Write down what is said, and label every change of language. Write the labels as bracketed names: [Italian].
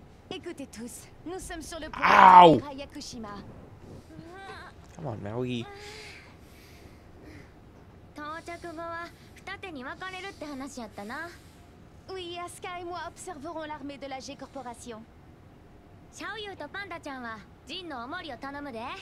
[French] Écoutez tous, nous sommes sur le point d'arriver à Yakushima. [English] Come on, Maui. [Japanese] 到着後は二手に分かれるって話やったな。 [French] Oui, Asuka et moi observerons l'armée de la G Corporation. [Japanese] シャオユーとパンダちゃんはジンのお守りを頼むで。